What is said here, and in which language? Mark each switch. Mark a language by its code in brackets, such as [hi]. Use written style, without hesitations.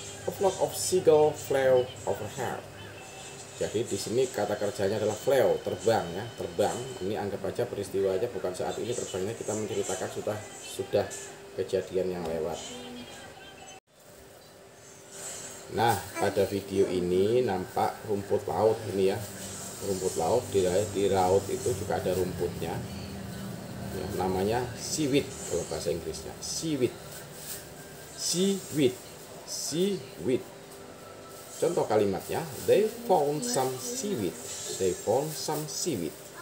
[en] A flock of seagull flew overhead. [id] Jadi di sini kata kerjanya adalah flew, terbang ya, terbang. Ini anggap aja peristiwanya bukan saat ini terbangnya, kita menceritakan sudah kejadian yang lewat. Nah, pada video ini nampak rumput laut ini ya. Rumput laut di laut itu juga ada rumputnya. Ya, namanya seaweed kalau bahasa Inggrisnya. [en] Seaweed. Seaweed. Seaweed. [id] Contoh kalimatnya, [en] they found some seaweed. They found some seaweed.